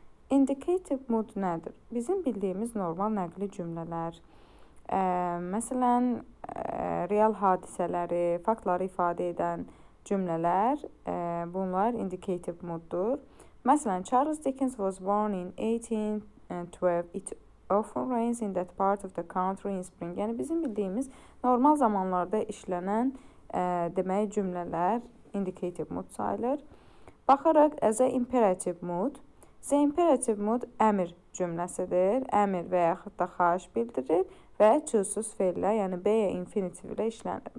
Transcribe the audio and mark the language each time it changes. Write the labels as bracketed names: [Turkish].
[Azerbaijani] Indicative mood nədir? Bizim bildiyimiz normal nəqli cümlələr. Məsələn, real hadisələri, faktları ifadə edən cümlələr, bunlar indicative mooddur. [English] Məsələn, Charles Dickens was born in 1812. It often rains in that part of the country in spring. [Azerbaijani] Yəni, bizim bildiyimiz normal zamanlarda işlənən demək cümlələr indicative mood sayılır. [English] Baxaraq, as a imperative mood. The imperative mood [Azerbaijani] əmir cümləsidir. Əmir və yaxud da xahiş bildirir. Və çözsüz feillə, yəni B-yə infinitiv ilə işlənir.